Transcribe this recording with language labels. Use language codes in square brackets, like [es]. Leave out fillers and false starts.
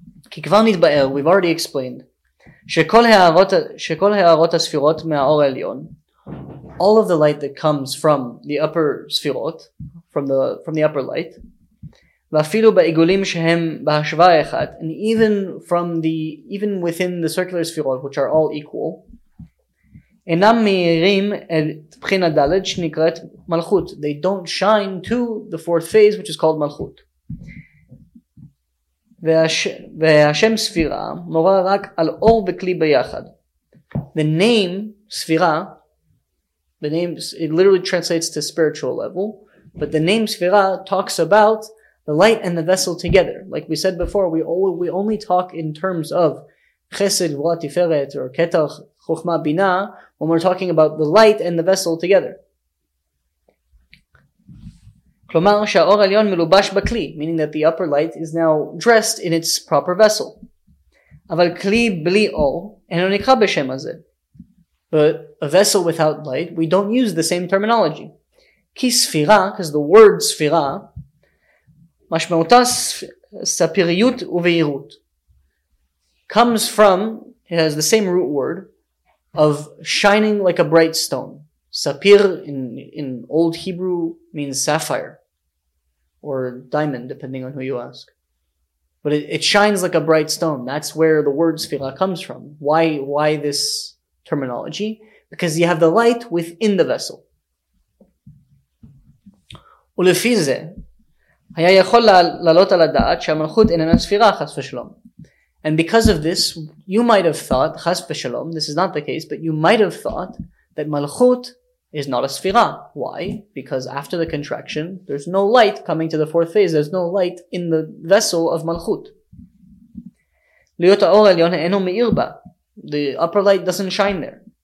[he] Ki Kvar Nitba'er, [en] we've already explained, all of the light that comes from the upper sfirot, from the upper light, and even from the even within the circular sfirot, which are all equal, they don't shine to the fourth phase, which is called malchut. [he] והשם ספירה מורה רק על אור וכלי ביחד. [en] The name ספירה, the name, it literally translates to spiritual level, but the name ספירה talks about the light and the vessel together. Like we said before, we only talk in terms of chesed v'ra tiferet or ketach chokhma bina when we're talking about the light and the vessel together. [he] כלומר שהאור העליון מלובש בכלי, [en] meaning that the upper light is now dressed in its proper vessel. [he] אבל כלי בלי אור אינו נקרא בשם הזה. [en] But a vessel without light, we don't use the same terminology. כי ספירה, because the word ספירה, [he] משמעותה ספיריות ובהירות, [en] comes from, it has the same root word, of shining like a bright stone. Sapir in old Hebrew means sapphire. Or diamond, depending on who you ask. But it shines like a bright stone. That's where the word Sfira comes from. Why this terminology? Because you have the light within the vessel. [he] ולפי זה, היה יכול לעלות על הדעת שהמלכות איננה ספירה, חס ושלום. [en] And because of this, you might have thought, חס ושלום, this is not the case, but you might have thought that מלכות is not a sfira. Why? Because after the contraction, there's no light coming to the fourth phase. There's no light in the vessel of malchut. The upper light doesn't shine there.